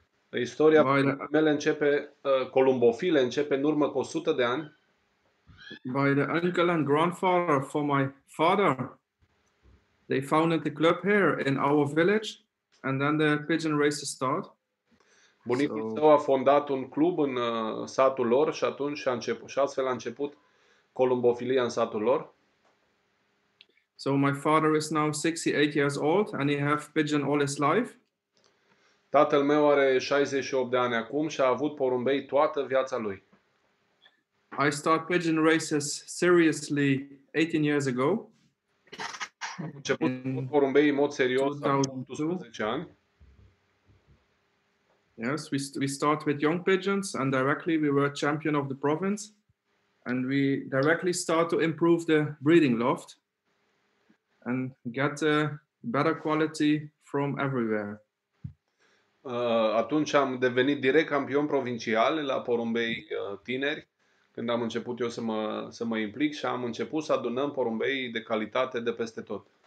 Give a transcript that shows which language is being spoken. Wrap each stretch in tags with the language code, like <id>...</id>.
<ro>Istoria mele începe, columbofile, începe în urmă cu 100 de ani.</ro> <en>By the uncle and grandfather for my father. They founded the club here in our village and then the pigeon races start.</en> <ro>Bunicul său a fondat un club în satul lor și atunci a început, și astfel a început columbofilia în satul lor.</ro> <en>So my father is now 68 years old and he have pigeon all his life.</en> <ro>Tatăl meu are 68 de ani acum și a avut porumbei toată viața lui.</ro> <en>I start pigeon races seriously 18 years ago.</en> <ro>Am început porumbei în mod serios acum 18 ani.</ro> <en>Yes, we start with young pigeons and directly we were champion of the province and we directly start to improve the breeding loft and get a better quality from everywhere.</en> <ro>Atunci am devenit direct campion provincial la porumbei tineri, când am început eu să mă implic și am început să adunăm porumbei de calitate de peste tot.</ro>